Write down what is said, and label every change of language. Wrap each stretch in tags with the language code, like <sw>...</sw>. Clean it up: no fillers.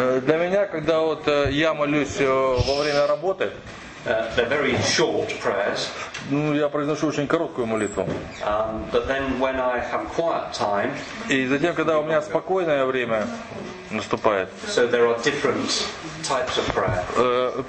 <en>For me, when I am praying at work, they're very short prayers.</en> <ru>Ну, я произношу очень короткую молитву.</ru> <en>But then when I have quiet time,</en> <ru>и затем, когда у меня спокойное время наступает.</ru> <en>So there are different types of prayer.</en>